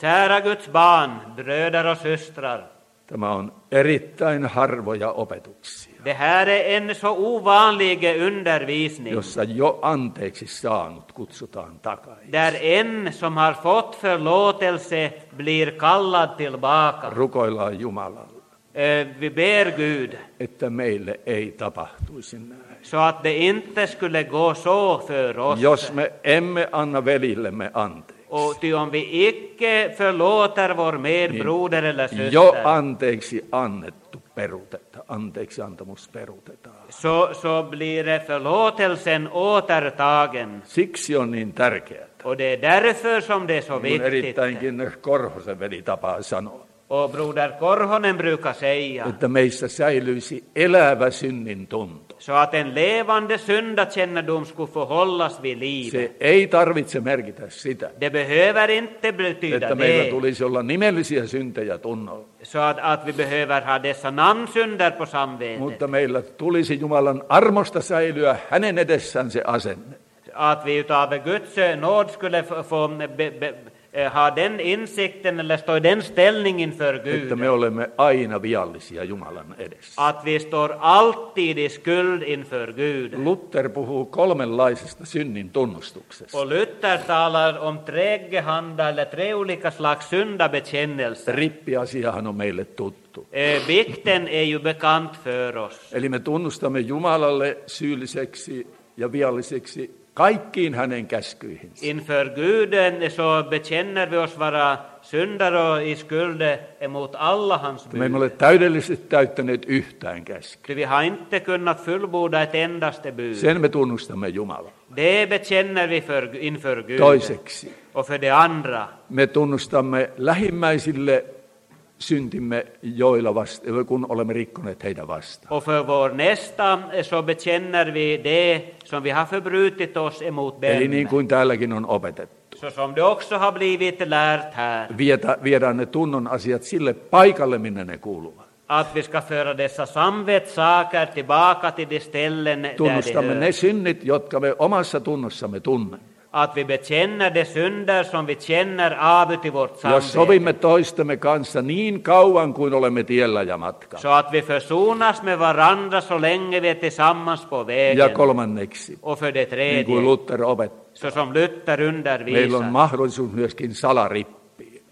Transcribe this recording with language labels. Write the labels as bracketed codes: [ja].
[sv] Kära Guds barn, bröder och systrar. [fi] Tämä on erittäin harvoja opetuksia. [sv] Det här är en så ovanlig undervisning. [fi] Jossa jo anteeksi saanut kutsutaan takaisin. [sv] Där en som har fått förlåtelse blir kallad tillbaka. [fi] Rukoillaan Jumalalle. [sv] Vi ber Gud. [fi] Että meille ei tapahtuisi näin. [sv] Så att det inte skulle gå så för oss. [fi] Jos me emme anna veljillemme anteeksi. [sv] Och ty om vi icke förlåter vår medbroder eller syster. [fi] Jo anteeksi annettu peruteta. Anteeksi antamus peruutetaan. [sv] Så blir förlåtelsen återtagen. [fi] Siksi on niin tärkeätä. [sv] Och det är därför som det är så viktigt. [fi] Erittäinkin Korhosen veli tapaa sanoa. [sv] Och broder Korhonen brukar säga. [fi] Että meissä säilyisi elävä synnin tunto. [sv] Så att en levande syndakännedom skulle få hållas vid livet. [fi] Se ei tarvitse merkitä sitä. [sv] Det behöver inte betyda [fi] det. Että meillä tulisi olla nimellisiä syntejä tunnolla. [sv] Så att vi behöver ha dessa namnsynder på samvetet. [fi] Mutta meillä tulisi Jumalan armosta säilyä hänen edessään se asenne. [sv] Att vi utav Guds nåd skulle få ha den insikten eller stå i den ställningen för Gud. [fi] Että me olemme aina viallisia Jumalan edessä. [sv] Att vi står alltid i skuld inför Gud. [fi] Luther puhuu kolmenlaisesta synnin tunnustuksesta. [sv] Och Luther talar om tre gehanda eller tre olika slags syndabekännelse. [fi] Rippiasiahan on meille tuttu. [sv] Vikten är ju bekant för oss. [fi] Eli me tunnustamme Jumalalle syylliseksi ja vialliseksi kaikkiin hänen käskyihinsä. [sv] Inför Guden så bekänner vi oss vara syndare i skuld emot alla hans bud. [fi] Me emme ole täydellisesti täyttäneet yhtään käskyä. [sv] Vi har inte kunnat fullborda ett endaste bud. [fi] Sen me tunnustamme Jumalalle. [sv] Det bekänner vi inför Guden. [fi] Toiseksi. [sv] Och för det andra. [fi] Me tunnustamme lähimmäisille syntimme joilla kun olemme rikkoneet heitä vastaan. [sv] Och för vår nästa så bekänner vi det som vi har förbrutit oss emot dem. [fi] Eli niin kuin täälläkin on opetettu. [sv] Så som det också har blivit lärt här. [fi] Viedään ne tunnon asiat sille paikalle, minne ne kuuluvat. [sv] Att vi ska föra dessa samvetssaker tillbaka till de ställen där de hör. [fi] Tunnustamme ne synnit, jotka me omassa tunnossamme tunnemme. [sv] Att vi bekänner de synder som vi känner av i vårt samvete. [fi] Jos sovimme toistemme kanssa niin kauan kuin olemme tiellä ja matka. [sv] Så att vi försonas med varandra så länge vi är tillsammans på vägen. [fi] Ja kolmanneksi. [sv] Och för det tredje. [fi] Niin kuin Luther opettaa. [sv] Så som Luther undervisar. [fi] Meillä on mahdollisuus myöskin salarippiin.